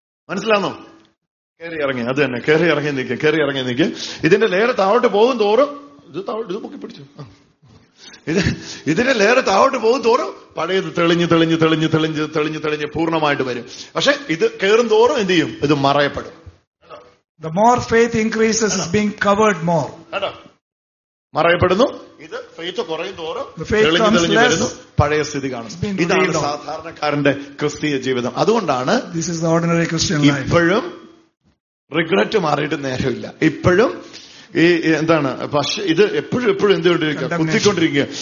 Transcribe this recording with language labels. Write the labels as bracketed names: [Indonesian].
[Malayalam] മനസ്സിലാണോ? കയറി ഇറങ്ങി, അത് തന്നെ, കയറി ഇറങ്ങി നിൽക്കുക, കയറി ഇറങ്ങി നിൽക്കുക. ഇതിന്റെ ലെയർ താഴോട്ട് പോകും തോറും, ഇത് താഴോട്ട് ഇത് പൊക്കിപ്പിടിച്ചു, ഇതിന്റെ ലെയർ താഴോട്ട് പോകും തോറും പഴയത് തെളിഞ്ഞു തെളിഞ്ഞു തെളിഞ്ഞു തെളിഞ്ഞു തെളിഞ്ഞു തെളിഞ്ഞ് പൂർണ്ണമായിട്ട് വരും. പക്ഷെ ഇത് കയറും തോറും എന്ത് ചെയ്യും? ഇത് മറയപ്പെടും. [English] The more faith increases, is being covered more. [Malayalam] മറയപ്പെടുന്നു. ഇത് ഫെയ്ത്ത് കുറയും തോറും തെളിഞ്ഞു തെളിഞ്ഞു വരുന്നു, പഴയ സ്ഥിതി കാണുന്നു. ഇതാണ് സാധാരണക്കാരന്റെ ക്രിസ്തീയ ജീവിതം. അതുകൊണ്ടാണ് [English] This is the ordinary Christian life. [Malayalam] ഇപ്പോഴും റിഗ്രറ്റ് മാറിയിട്ട് നേരമില്ല. ഇപ്പോഴും ഈ എന്താണ്, പക്ഷെ ഇത് എപ്പോഴും എപ്പോഴും എന്തുകൊണ്ടിരിക്കുക, കുത്തിക്കൊണ്ടിരിക്കുക.